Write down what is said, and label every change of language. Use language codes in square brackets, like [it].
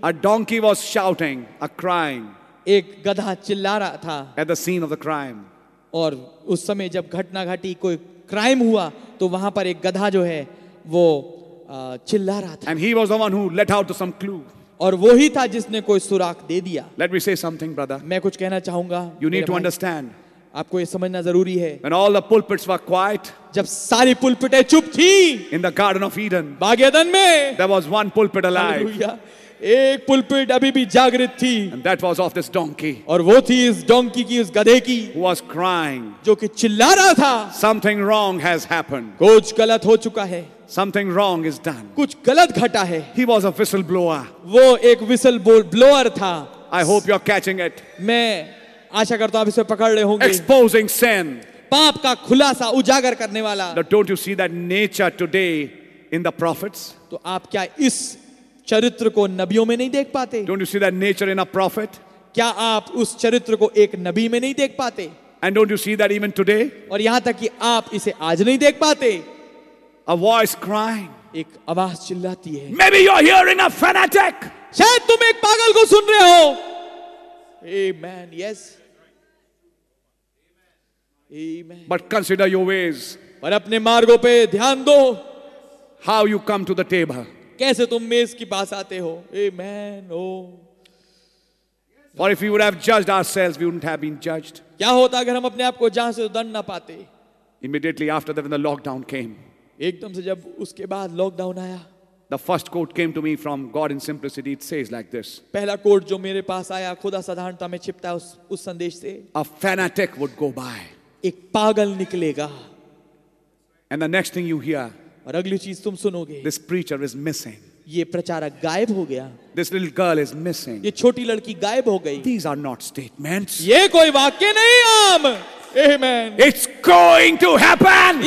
[en] A donkey was shouting, a crying. [hi] एक गधा चिल्ला रहा था. [en] At the scene of the crime. [hi] और उस समय जब घटना घटी, कोई क्राइम हुआ, तो वहां पर एक गधा जो है वो चिल्ला रहा था. [en] And he was the one who let out some clue. [hi] और वो ही था जिसने कोई सुराग दे दिया. [en] Let me say something, brother. [hi] मैं कुछ कहना चाहूंगा. [en] You need to understand. [hi] आपको ये समझना जरूरी है. [en] When all the pulpits were quiet, [hi] जब सारी पुलपिटें चुप थी, [en] in the garden of Eden, [hi] Bagh Edan में, [en] there was one pulpit alive. [hi] Hallelujah, एक पुलपिट अभी भी जागृत थी. [en] And that was of this donkey. [hi] और वो थी इस डोंकी की, इस गधे की, [en] who was crying, [hi] जो कि चिल्ला रहा था, [en] something wrong has happened. [hi] कुछ गलत हो चुका है. [en] Something wrong is done. [hi] कुछ गलत घटा है. [en] He was a whistle blower. [hi] वो एक विसल ब्लोअर था. [en] I hope you're catching it. [hi] मैं आशा करता हूं आप इसे पकड़ रहे होंगे. [en] Exposing sin. [hi] पाप का खुलासा, उजागर करने वाला. [en] But don't you see that nature today in the prophets? [hi] तो आप क्या इस चरित्र को नबियों में नहीं देख पाते? [en] Don't you see that nature in a prophet? [hi] क्या आप उस चरित्र को एक नबी में नहीं देख पाते? [en] And don't you see that even today? [hi] और यहां तक कि आप इसे आज नहीं देख पाते. [en] A voice crying. [hi] एक आवाज चिल्लाती है. [en] Maybe you're hearing a fanatic. [hi] शायद तुम एक पागल को सुन रहे हो. [en] Amen. Yes. Amen. But consider your ways. [hi] पर अपने मार्गों पे ध्यान दो. [en] How you come to the table? [hi] कैसे तुम मेज के पास आते हो? [en] Amen. Oh. For if we would have judged ourselves, we wouldn't have been judged. [hi] क्या होता अगर हम अपने आप को जांच से दंड ना पाते? [en] Immediately after that, when the lockdown came. [hi] एकदम से जब उसके बाद लॉकडाउन आया. [en] The first quote came to me from God in simplicity. It says like this. [hi] पहला कोट जो मेरे पास आया खुदा साधारणता में छिपता उस संदेश से. [en] A fanatic would go by. [hi] एक पागल निकलेगा. [en] And the next thing you hear. [hi] और अगली चीज तुम सुनोगे. [en] This preacher is missing. [hi] ये प्रचारक गायब हो गया. [en] This little girl is missing. [hi] ये छोटी लड़की गायब हो गई. [en] These are not statements. [hi] ये कोई वाक्य नहीं आम. Amen. [en] It's going to happen.